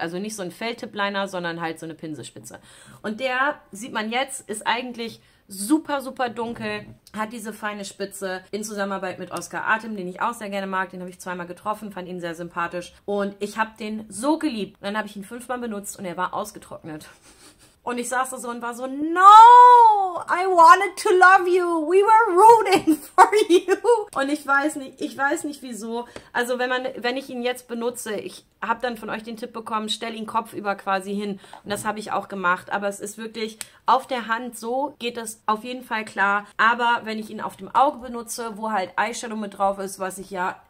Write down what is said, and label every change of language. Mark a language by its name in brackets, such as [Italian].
[German] Also nicht so ein Feldtipp-Liner, sondern halt so eine Pinselspitze. Und der, sieht man jetzt, ist eigentlich super, super dunkel, hat diese feine Spitze in Zusammenarbeit mit Oscar Atem, den ich auch sehr gerne mag. Den habe ich zweimal getroffen, fand ihn sehr sympathisch und ich habe den so geliebt. Dann habe ich ihn 5-mal benutzt und er war ausgetrocknet. Und ich saß da so und war so, [English] no, I wanted to love you, we were rooting for you. [German] Und ich weiß nicht wieso. Also wenn ich ihn jetzt benutze, ich habe dann von euch den Tipp bekommen, stell ihn kopfüber quasi hin. Und das habe ich auch gemacht. Aber es ist wirklich auf der Hand, so geht das auf jeden Fall klar. Aber wenn ich ihn auf dem Auge benutze, wo halt Eyeshadow mit drauf ist, was ich ja...